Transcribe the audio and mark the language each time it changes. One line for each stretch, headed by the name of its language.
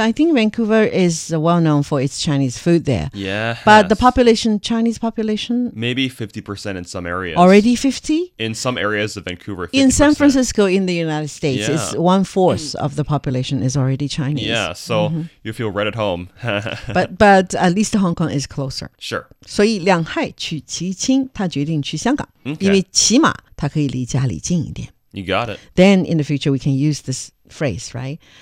English: I think Vancouver is well known for its Chinese food there. Yeah. But the population, Chinese population? Maybe 50% in some areas. Already 50? In some areas of Vancouver, 50%. In San Francisco, in the United States, it's one-fourth of the population is already Chinese. Yeah, so you feel right at home. but at least Hong Kong is closer. Sure.
Chinese: 所以两害取其轻，他决定去香港，因为起码他可以离家里近一点。
English: You got it. Then in the future, we can use this phrase, right?